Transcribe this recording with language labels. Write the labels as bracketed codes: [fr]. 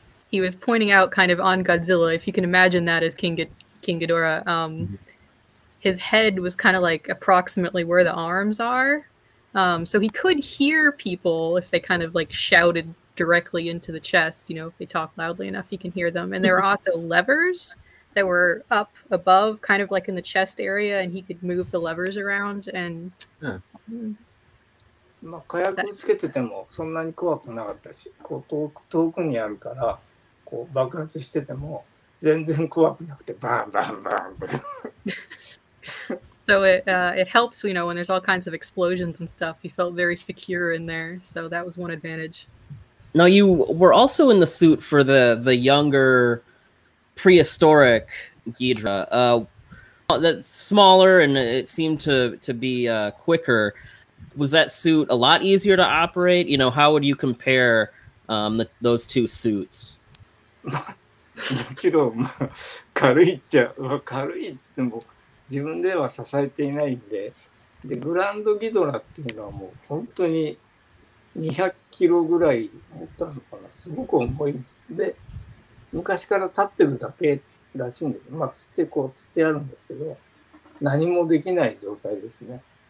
[en] He was pointing out kind of on Godzilla, if you can imagine that as King Ghidorah, his head was kind of like approximately where the arms are. So he could hear people if they kind of like shouted directly into the chest, you know, if they talk loudly enough, he can hear them. And there are also levers that were up above, kind of like in the chest area, and he could move the levers around and [ja] まあ、火薬つけててもそんなに怖くなかったし、こう 遠くにあるからこう爆発してても全然怖くなくて、バンバンバンバン。 [en] So it, it helps, you know, when there's all kinds of explosions and stuff. He felt very secure in there, so that was one advantage. Now, you were also in the suit for the younger prehistoric Ghidorah. That's smaller, and it seemed to be quicker. Was that suit a lot easier to operate? You know, how would you compare those two suits? [ja] もちろん軽いっちゃ軽いっつっても 自分では支えていないん でグランドギドラっていうのはもう本当に200キロぐらい持ったのかな、すごく重いんで、昔から立ってるだけらしいんです。まあ釣ってこう釣ってあるんですけど何もできない状態ですね。